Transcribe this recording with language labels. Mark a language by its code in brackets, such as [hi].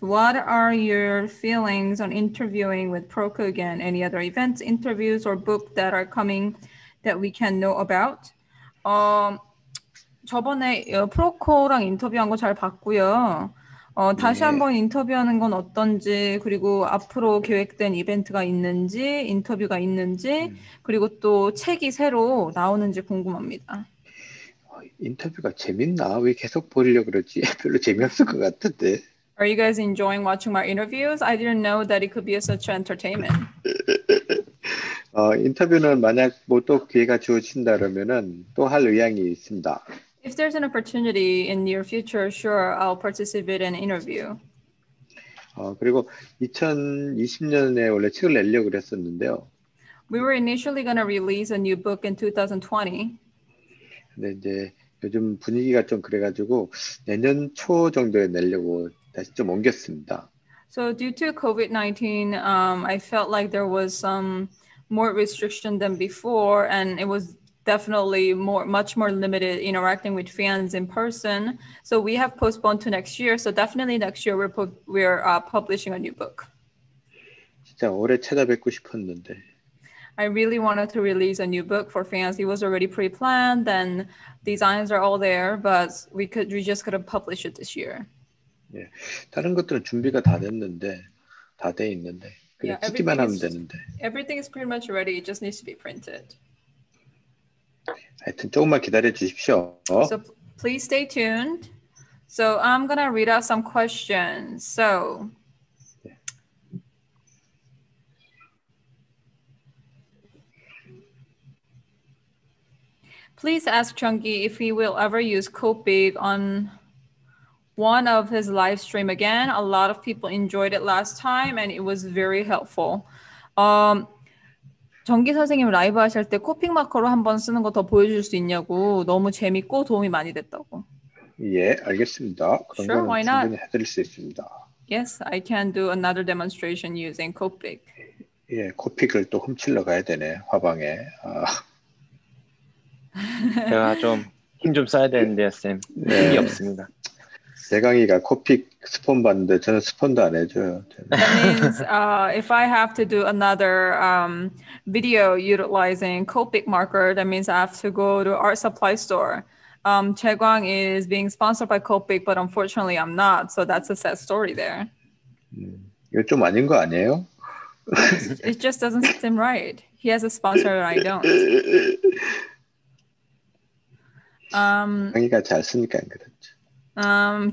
[en] What are your feelings on interviewing with Proko again? Any other events, interviews, or book that are coming that we can know about? [ko] 저번에 프로코랑 인터뷰한 거 잘 봤고요. 다시 한번 인터뷰하는 건 어떤지, 그리고 앞으로 계획된 이벤트가 있는지, 인터뷰가 있는지, 그리고 또 책이 새로 나오는지 궁금합니다. 인터뷰가 재밌나? 왜 계속 보려고 그러지? 별로 재미없을 것 같은데. [en] Are you guys enjoying watching my interviews? I didn't know that it could be such entertainment. [ko] 인터뷰는 만약 뭐 또 기회가 주어진다 그러면은 또 할 의향이 있습니다. [en] If there's an opportunity in near future, sure, I'll participate in an interview. [ko] 그리고 2020년에 원래 책을 내려고 그랬었는데요. [en] We were initially going to release a new book in 2020. [ko] 네, 이제 요즘 분위기가 좀 그래가지고 내년 초 정도에 내려고 다시 좀 옮겼습니다. [en] So due to COVID-19, I felt like there was some more restriction than before, and it was definitely much more limited interacting with fans in person. So we have postponed to next year. So definitely next year we're publishing a new book. [ko] 진짜 올해 찾아뵙고 싶었는데. [en] I really wanted to release a new book for fans. It was already pre-planned and designs are all there, but we just couldn't publish it this year. Yeah. [ko] 다른 것들은 준비가 다 됐는데, 다 돼 있는데. 그냥 찍기만 하면 되는데. [en] Everything is pretty much ready. It just needs to be printed. [ko] 하여튼 조금만 기다려 주십시오. [en] So please stay tuned. So I'm going to read out some questions. So please ask Jeonggi if he will ever use Copic on one of his live stream again. A lot of people enjoyed it last time and it was very helpful. [ko] 정기 선생님 라이브 하실 때 코픽 마커로 한번 쓰는 거 더 보여줄 수 있냐고 너무 재밌고 도움이 많이 됐다고. 예, 알겠습니다. 그런 [en] sure, why not? [ko] 충분히 해드릴 수 있습니다. [en] Yes, I can do another demonstration using Copic. [ko] 예, 코픽을 또 훔치러 가야 되네, 화방에. 제가 좀 힘 좀 써야 되는데 쌤 힘이 네. 없습니다. 대강이가 코픽 스폰 받는데 저는 스폰도 안 해줘요. [en] That means if I have to do another video utilizing Copic marker, that means I have to go to art supply store. 재광 is being sponsored by Copic, but unfortunately I'm not. So that's a sad story there. [ko] 이거 좀 아닌 거 아니에요? [en] It just doesn't seem right. He has a sponsor and I don't. [ko] 강의가 잘 쓰니까 안 그렇죠.